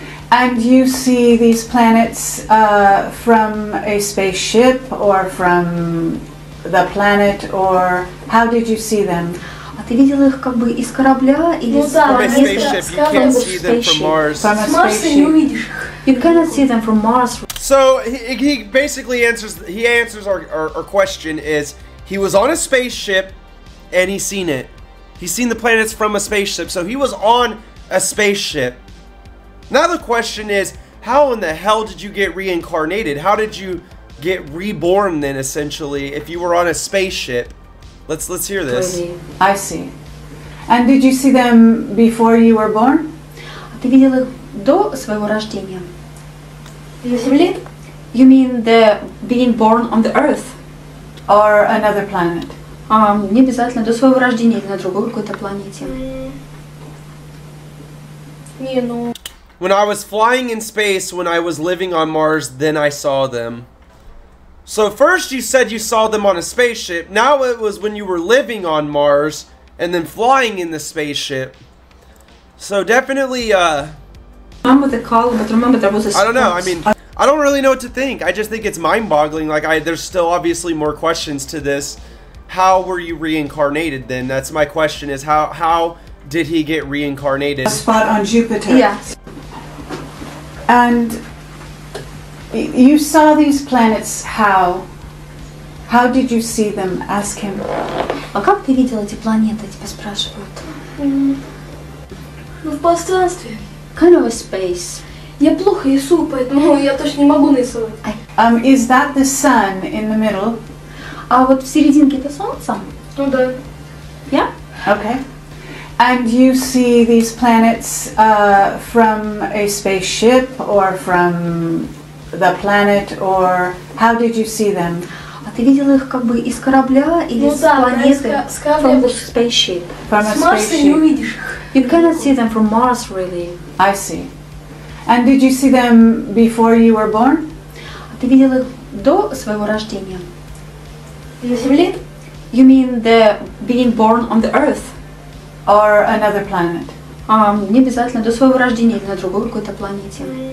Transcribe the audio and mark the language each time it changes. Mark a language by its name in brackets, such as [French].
[English] And you see these planets from a spaceship or from the planet or how did you see them? [Russian] А ты видел их как бы из корабля или ну, да. [English] From a spaceship, you can't see them from Mars. From a spaceship. [Russian] Марса не увидишь их. [English] You cannot see them from Mars. So he basically answers our question is he was on a spaceship and he seen it. He's seen the planets from a spaceship, so he was on a spaceship. Now the question is, how in the hell did you get reincarnated? How did you get reborn then, essentially, if you were on a spaceship? Let's hear this. I see. And did you see them before you were born? [Russian] Ты видел их до своего рождения? Земле? [English] You mean the being born on the Earth or another planet? [Russian] Не обязательно до своего рождения или на другой какой-то планете. Не, ну. [English] When I was flying in space, when I was living on Mars, then I saw them. So first you said you saw them on a spaceship. Now it was when you were living on Mars and then flying in the spaceship. So definitely. Remember the call, but remember there was a. I don't know. I mean, I don't really know what to think. I just think it's mind-boggling. Like, there's still obviously more questions to this. How were you reincarnated then? That's my question is how did he get reincarnated? A spot on Jupiter. Yes. And you saw these planets how? How did you see them? Ask him. [Russian] А как ты видел эти планеты? Тебя спрашивают. Ну, в пространстве. [English] Kind of a space. [Russian] Я плохо рисую, поэтому я точно не могу нарисовать. [English] Is that the sun in the middle? [Russian] А вот в серединке это солнце? Ну да. [English] Yeah? Okay. And you see these planets from a spaceship or from the planet or how did you see them? [Russian] А ты видел их как бы из корабля или ну, с да, планеты? Да, с корабля. [English] From the spaceship. From a [Russian] с Марса [English] spaceship. [Russian] Не увидишь их. [English] You cannot see them from Mars, really. I see. And did you see them before you were born? [Russian] А ты видел их до своего рождения? На Земле? [English] You mean the being born on the Earth? Or another planet? [Russian] Не обязательно до своего рождения или на другой какой-то планете.